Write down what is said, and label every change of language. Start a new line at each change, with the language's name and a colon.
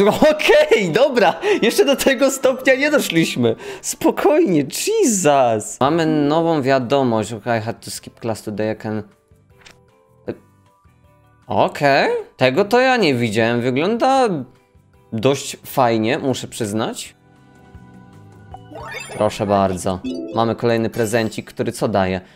Polish: Okej, dobra! Jeszcze do tego stopnia nie doszliśmy. Spokojnie, Jesus! Mamy nową wiadomość.
English: I had to skip class today, I can... Okej. Okay.
Polish: Tego to ja nie widziałem. Wygląda dość fajnie, muszę przyznać. Proszę bardzo. Mamy kolejny prezencik, który co daje?